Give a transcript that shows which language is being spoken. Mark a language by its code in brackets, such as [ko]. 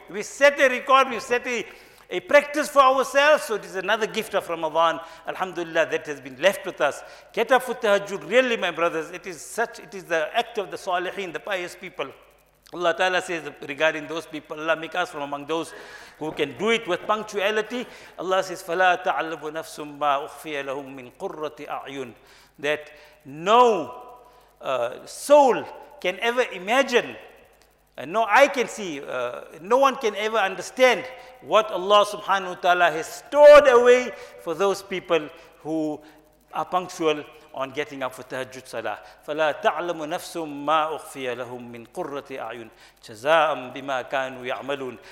[en] We set a record, we set a practice for ourselves, so it is another gift of Ramadan, alhamdulillah, that has been left with us. Get up for tahajjud, really, my brothers, it is the act of the salihin, the pious people. Allah Ta'ala says regarding those people, Allah make us from among those who can do it with punctuality. Allah says, [ar] فَلَا تَعْلَمُ نَفْسٌ مَا أُخْفِيَ لَهُمْ مِنْ قُرَّةِ أَعْيُنِ, [en] that no soul can ever imagine. And no eye can see, no one can ever understand what Allah subhanahu wa ta'ala has stored away for those people who are punctual on getting up for tahajjud salah. [ar] فَلَا تَعْلَمُ نَفْسٌ مَا أُخْفِيَ لَهُمْ مِنْ قُرَّةِ أَعْيُنِ جَزَاءً بِمَا كَانُوا يَعْمَلُونَ.